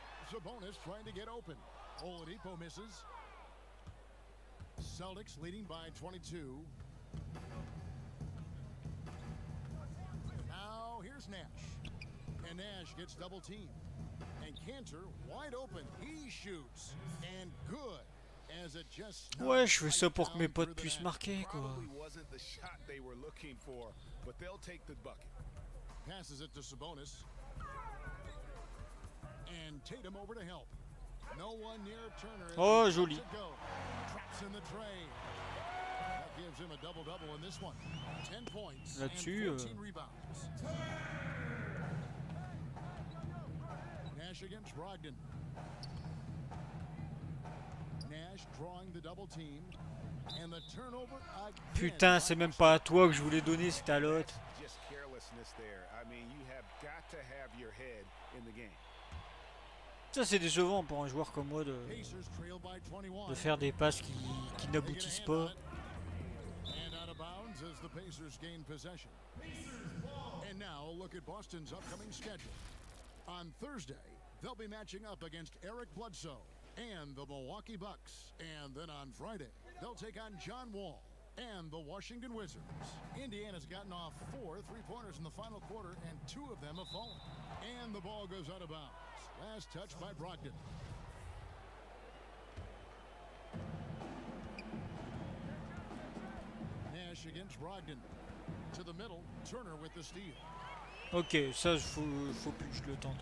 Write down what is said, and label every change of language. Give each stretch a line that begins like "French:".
English: Sabonis trying to get open. Oladipo misses. Celtics leading by 22. Nash. And Nash gets double teamed. And Cantor wide open. He shoots. And good. As it just.
French: Ouais, je fais ça pour que mes potes puissent marquer, quoi.
English: Probably wasn't the shot they were looking for, but they'll take the bucket. Passes it to Sabonis. And Tatum over to help. No one near Turner.
French: Oh, joli.
English: Traps in the tray. Gives him a double double in this one. 10 points.
French: Là-dessus,
English: and 14 rebounds. Nash against Brogdon. Nash drawing the double team and the turnover.
French: Putain, c'est même pas à toi que je voulais donner, c'était à l'autre.
English: Just carelessness there. I mean, you have got to have your head in the game.
French: Ça, c'est décevant pour un joueur comme moi de faire des passes qui n'aboutissent pas.
English: And out of bounds as the Pacers gain possession. And now look at Boston's upcoming schedule. On Thursday, they'll be matching up against Eric Bledsoe and the Milwaukee Bucks. And then on Friday, they'll take on John Wall and the Washington Wizards. Indiana's gotten off 4 three-pointers in the final quarter, and 2 of them have fallen. And the ball goes out of bounds. Last touch by Brogdon. Against Brogdon to the middle, Turner with the steal.
French: Ok, ça faut plus que je le tente.